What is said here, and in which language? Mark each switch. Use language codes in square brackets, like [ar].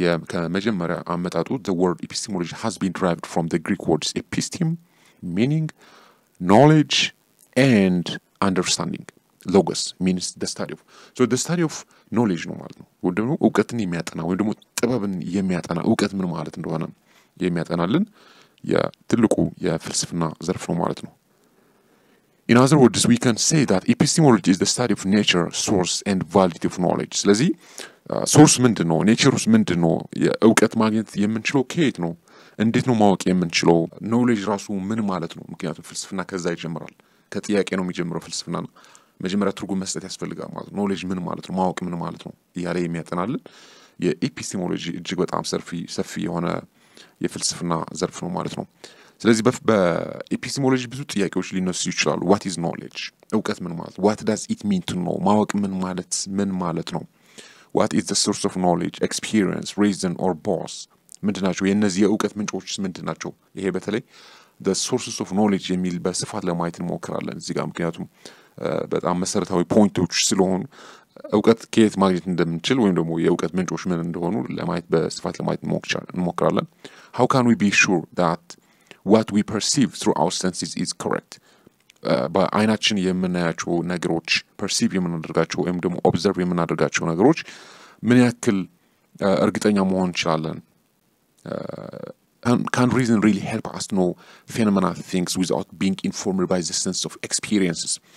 [am] ከመጀመሪያ አመጣጡ [en] the word epistemology has been derived from the Greek words episteme meaning knowledge and understanding logos means the study of so the study of knowledge normal [am] ወደሞ እውቀትን የሚያጠና ወይም ደግሞ ጥበብን የሚያጠና እውቀት ምን ማለት እንደሆነ የሚያጠናልን የትልቁ የፍልስፍና ዘርፍ ነው ማለት ነው። [en] In other words we can say that epistemology is the study of nature source and validity of knowledge. [am] ስለዚህ source ምንድነው? Nature ምንድነው? የእውቀት ማግኘት የምንችለው ከየት ነው? እንዴት ነው ማወቅ የምንችለው? knowledge ራሱ ምን ማለት ነው? ምክንያቱም ፍልስፍና ከዛ ይጀምራል። ከጥያቄ ነው የሚጀምረው ፍልስፍና ነው። መጀመሪያ ትርጉም መስጠት ያስፈልጋል ማለት ነው። knowledge ምን ማለት ነው? ማወቅ ምን ማለት ነው? ይያለ የሚያጠናልን የኤፒስቴሞሎጂ እጅግ በጣም ሰፊ የሆነ የፍልስፍና ዘርፍ ነው ማለት ነው። ስለዚህ በኤፒስቴሞሎጂ ብዙ ጥያቄዎች ሊነሱ ይችላሉ። [en] what is knowledge? [am] እውቀት ምን ማለት ነው? [en] what does it mean to know? [am] ማወቅ ምን ማለት ነው? [en] what is the source of knowledge? experience, reason or both? [am] ምንድናቸው የነዚህ የእውቀት ምንጮች ምንድናቸው? ይሄ በተለይ [en] the sources of knowledge [am] የሚል በስፋት ለማየት እንሞክራለን እዚህ ጋር ምክንያቱም በጣም መሰረታዊ ፖይንቶች ስለሆኑ እውቀት ከየት ማግኘት እንደምንችል ወይም ደግሞ የእውቀት ምንጮች ምን እንደሆኑ ለማየት በስፋት ለማየት እንሞክራለን። [en] how can we be sure that what we perceive through our senses is correct? [am] በአይናችን የምናያቸው ነገሮች perceive የምናደርጋቸው ወይም ደግሞ observe የምናደርጋቸው ነገሮች ምን ያክል እርግጠኛ መሆን ይችላልን? [en] Can reason really help us to know phenomena things without being informed by the sense of experiences?